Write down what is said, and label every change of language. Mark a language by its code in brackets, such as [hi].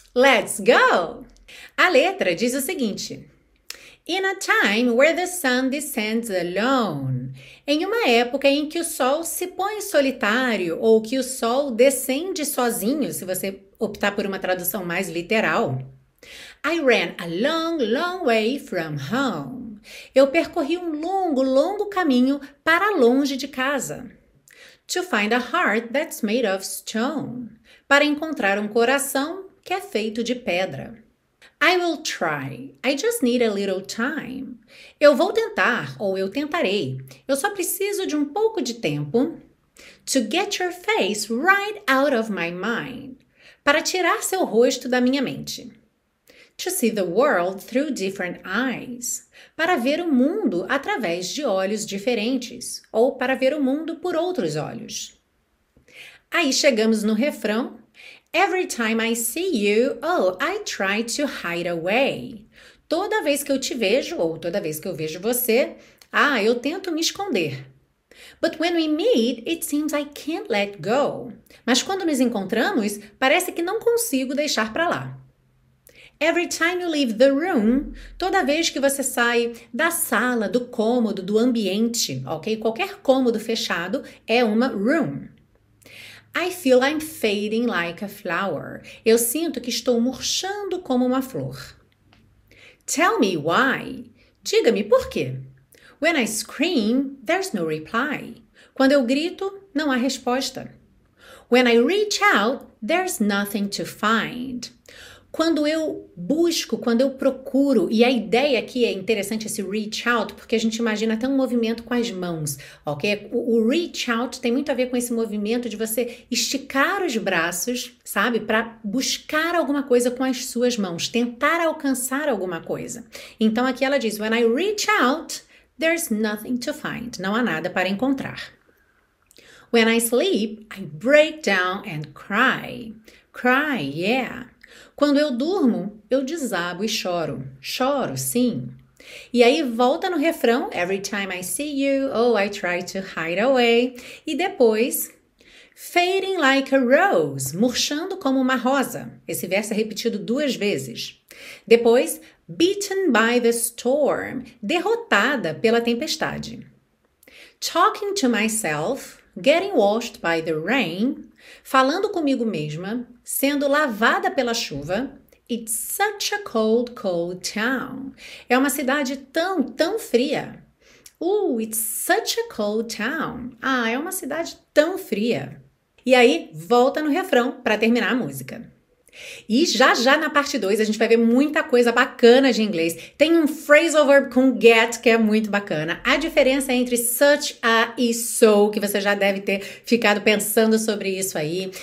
[en] Let's go! [pt] A letra diz o seguinte: [en] In a time where the sun descends alone. [pt] Em uma época em que o sol se põe solitário ou que o sol descende sozinho, se você optar por uma tradução mais literal. [en] I ran a long, long way from home. [pt] Eu percorri um longo, longo caminho para longe de casa. [en] To find a heart that's made of stone. [pt] Para encontrar um coração que é feito de pedra. [en] I will try. I just need a little time. [pt] Eu vou tentar, ou eu tentarei. Eu só preciso de um pouco de tempo. [en] To get your face right out of my mind. [pt] Para tirar seu rosto da minha mente. [en] To see the world through different eyes. [pt] Para ver o mundo através de olhos diferentes. Ou para ver o mundo por outros olhos. Aí chegamos no refrão. [en] Every time I see you, oh, I try to hide away. [pt] Toda vez que eu te vejo, ou toda vez que eu vejo você, ah, eu tento me esconder. [en] But when we meet, it seems I can't let go. [pt] Mas quando nos encontramos, parece que não consigo deixar para lá. [en] Every time you leave the room, [pt] toda vez que você sai da sala, do cômodo, do ambiente, ok? Qualquer cômodo fechado é uma room. [en] I feel I'm fading like a flower. [pt] Eu sinto que estou murchando como uma flor. [en] Tell me why. [pt] Diga-me por quê. [en] When I scream, there's no reply. [pt] Quando eu grito, não há resposta. [en] When I reach out, there's nothing to find. [pt] Quando eu busco, quando eu procuro, e a ideia aqui é interessante esse reach out, porque a gente imagina até um movimento com as mãos, ok? O reach out tem muito a ver com esse movimento de você esticar os braços, sabe? Para buscar alguma coisa com as suas mãos, tentar alcançar alguma coisa. Então aqui ela diz: [en] When I reach out, there's nothing to find. [pt] Não há nada para encontrar. [en] When I sleep, I break down and cry. Cry, yeah. [pt] Quando eu durmo, eu desabo e choro. Choro, sim. E aí volta no refrão: [en] Every time I see you, oh, I try to hide away. [pt] E depois, [en] fading like a rose, [pt] murchando como uma rosa. Esse verso é repetido duas vezes. Depois, [en] beaten by the storm, [pt] derrotada pela tempestade. [en] Talking to myself, getting washed by the rain. [pt] Falando comigo mesma, sendo lavada pela chuva. [en] It's such a cold, cold town. [pt] É uma cidade tão, tão fria. [en] It's such a cold town. [pt] Ah, é uma cidade tão fria. E aí, volta no refrão para terminar a música. E já já na parte 2 a gente vai ver muita coisa bacana de inglês. Tem um phrasal verb com get que é muito bacana. A diferença entre such a e so, que você já deve ter ficado pensando sobre isso aí.